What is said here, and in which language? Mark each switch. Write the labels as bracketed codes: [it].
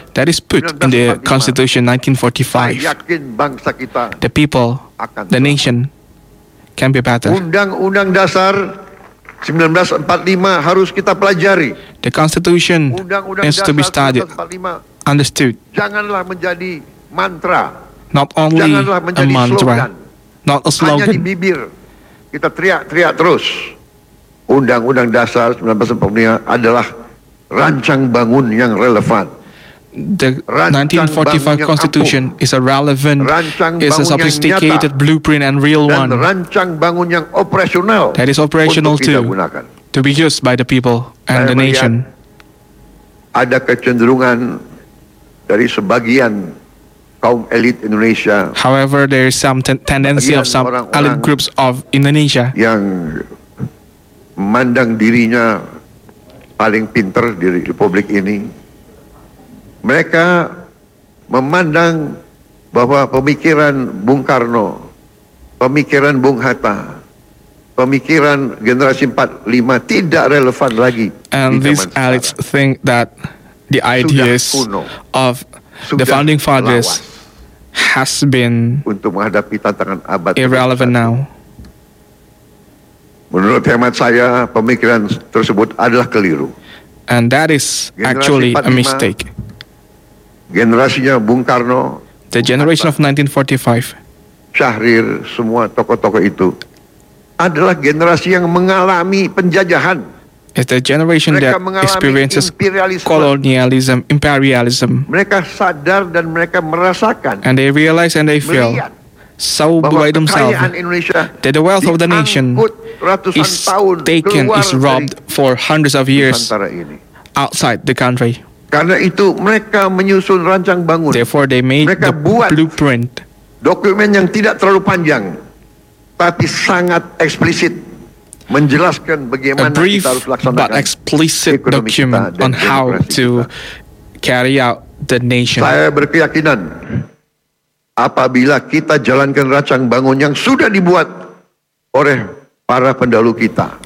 [en] that is put in the Constitution 1945, [id] saya yakin bangsa kita, [en] the people, [id] akan [en] the nation, can be better. [id] Undang-Undang Dasar 1945 harus kita pelajari. [en] The Constitution needs to be studied, understood. [id] Janganlah menjadi mantra. [en] Not only a mantra, not a slogan. [id] Hanya di bibir kita teriak-teriak terus. Undang-Undang Dasar 1945 adalah rancang bangun yang relevan. [en] The 1945 Constitution is a relevant, is a sophisticated blueprint and real one. [id] Rancang bangun yang operasional. [en] That is operational too, to be used by the people and the nation. [id] Ada kecenderungan dari sebagian kaum elit Indonesia. [en] However, there is some tendency of some elit groups of Indonesia [id] yang memandang dirinya paling pintar di republik ini. Mereka memandang bahwa pemikiran Bung Karno, pemikiran Bung Hatta, pemikiran generasi 45 tidak relevan lagi. [en] And these elites think that the ideas of the founding fathers has been [id] untuk menghadapi tantangan abad [en] irrelevant now. [id] Menurut hemat saya, pemikiran tersebut adalah keliru. [en] And that is actually a mistake. [id] Generasinya Bung Karno, [en] the generation of 1945, [id] Syahrir, semua tokoh-tokoh itu adalah generasi yang mengalami penjajahan. [en] It's the generation [id] mereka [en] that experiences imperialism. Colonialism, imperialism. [id] Mereka sadar dan mereka merasakan. [en] And they realize and they feel so by themselves [id] Indonesia [en] that the wealth of the nation is taken, is robbed for hundreds of years outside the country. [id] Karena itu mereka menyusun rancang bangun. [en] Therefore they made [id] mereka [en] the blueprint. [id] Dokumen yang tidak terlalu panjang tapi sangat eksplisit. menjelaskan bagaimana [en] a brief but explicit document on how to carry out the nation. [id] Saya berkeyakinan apabila kita jalankan rancang bangun yang sudah dibuat oleh para pendahulu kita,